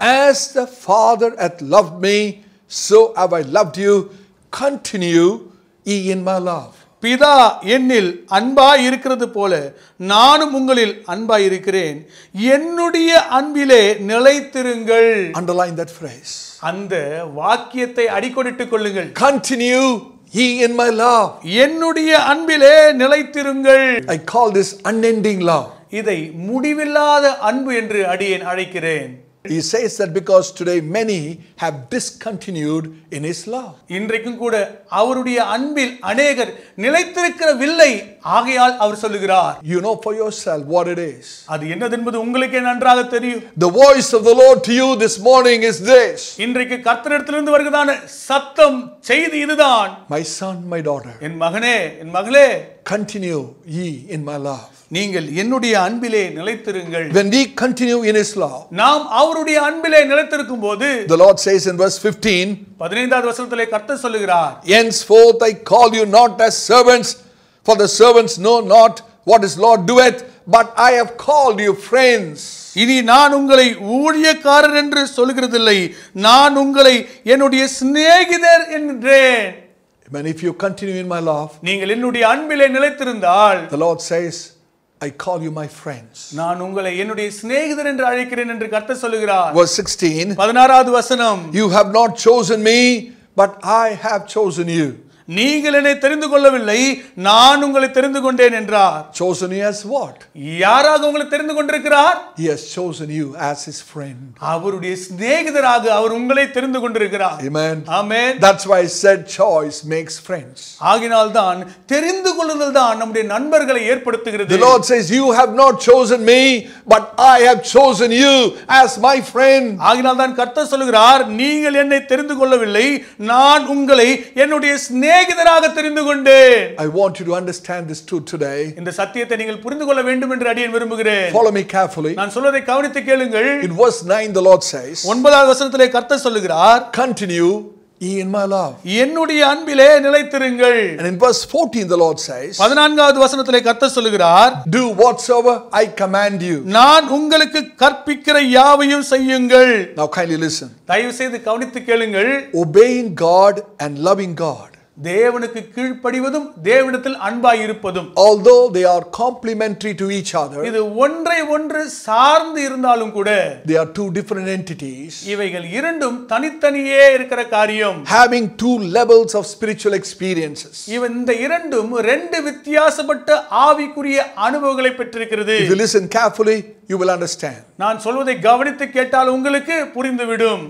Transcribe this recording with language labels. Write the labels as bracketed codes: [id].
[en] as the father hath loved me so have I loved you, continue ye in my love. [ta] பிதா என்னில் அன்பாய் இருக்கிறது போல நானும் உங்களில் அன்பாய் இருக்கிறேன், என்னுடைய அன்பிலே நிலைத்திருங்கள். [en] Underline that phrase. [ta] அந்த வாக்கியத்தை அடிக்கோடிட்டுக் கொள்ளுங்கள். [en] Continue He in my love. [ta] என்னுடைய அன்பிலே நிலைத்திருங்கள். [en] I call this unending love. [ta] இதை முடிவில்லாத அன்பு என்று அடியேன் அழைக்கிறேன். [en] He says that because today many have discontinued in his love. [ta] இன்றைக்கும் கூட அவருடைய அன்பில் अनेகர் நிலைத்திருக்கவில்லை ஆகையால் அவர் சொல்கிறார். [en] You know for yourself what it is. [ta] அது என்ன என்பது உங்களுக்கே நன்றாக தெரியும். [en] The voice of the Lord to you this morning is this. [ta] இன்றைக்கு கர்த்தரிடத்திலிருந்து வருகிறதான சத்தம் செய்தி இதுதான். [en] My son, my daughter. [ta] என் மகனே, என் மகளே. [en] Continue ye in my love. [ta] நீங்கள் என்னுடைய அன்பிலே நிலைத்திருங்கள். [en] When we continue in his love. [ta] நாம் அவருடைய அன்பிலே நிலைத்திருக்கும்போது. [en] The Lord says in verse 15. [ta] 15வது வசனத்திலே கர்த்தர் சொல்கிறார். [en] Henceforth I call you not as servants, for the servants know not what his Lord doeth, but I have called you friends. [ta] இனி நான் உங்களை ஊழியக்காரர் என்று சொல்கிறதில்லை, நான் உங்களை என்னுடைய சிநேகிதர் என்றேன். [en] Man, if you continue in my love. [ta] நீங்கள் என்னுடைய அன்பிலே நிலைத்திருந்தால். [en] The Lord says, I call you my friends. [ta] நான் உங்களை என்னுடைய சிநேகிதர் என்று அழைக்கிறேன் என்று கர்த்தர் சொல்கிறார். [en] Verse 16. [ta] 16வது வசனம். [en] You have not chosen me, but I have chosen you. [ta] நீங்கள் என்னை தெரிந்து கொள்ளவில்லை, நான் உங்களை தெரிந்து கொண்டேன் என்றார். [en] Chosen you as what? [ta] யாராக உங்களை தெரிந்து கொண்டிருக்கிறார்? [en] He has chosen you as his friend. [ta] அவருடைய சிநேகிதராக அவர் உங்களை தெரிந்து கொண்டிருக்கிறார். [en] Amen. Amen. That's why I said choice makes friends. [ta] ஆகினால்தான் தெரிந்து கொள்ளுதல் தான் நம்முடைய நண்பர்களை ஏற்படுத்துகிறது. [en] The Lord says you have not chosen me, but I have chosen you as my friend. [ta] ஆகினால்தான் கர்த்தர் சொல்கிறார், நீங்கள் என்னை தெரிந்து கொள்ளவில்லை, நான் உங்களை என்னுடைய [en] I want you to understand this truth today. [ta] இந்த சத்தியத்தை நீங்கள் புரிந்துகொள்ள வேண்டும் என்று அடியேன் விரும்புகிறேன். [en] Follow me carefully. [ta] நான் சொல்வதை கவனித்து கேளுங்கள். [en] In verse 9 the Lord says. [ta] 9வது வசனத்திலே கர்த்தர் சொல்கிறார், [en] Continue in my love. [ta] என்னுடைய அன்பிலே நிலைத்திருங்கள். [en] And in verse 14 the Lord says. [ta] 14வது வசனத்திலே கர்த்தர் சொல்கிறார், [en] Do whatsoever I command you. [ta] நான் உங்களுக்கு கற்பிக்கிற யாவையும் செய்யுங்கள். [en] Now kindly listen. [ta] தயவு செய்து கவனித்து கேளுங்கள். [en] Obeying God and loving God. [ta] தேவனுக்கு கீழ்ப்படிவதும் தேவனிடத்தில் அன்பாய் இருப்பதும், [en] although they are complementary to each other, [ta] இது ஒன்றை ஒன்று சார்ந்து இருந்தாலும் கூட, [en] they are two different entities, [ta] இவைகள் இரண்டும் தனித்தனியே இருக்கிற காரியம், [en] having two levels of spiritual experiences, [ta] இந்த இரண்டும் ரெண்டு வித்தியாசப்பட்ட ஆவிக்குரிய அனுபவங்களை பெற்றிருக்கிறது. [en] If you listen carefully, you will understand. [ta] நான் சொல்வதை கவனித்து கேட்டால் உங்களுக்கு புரிந்துவிடும்.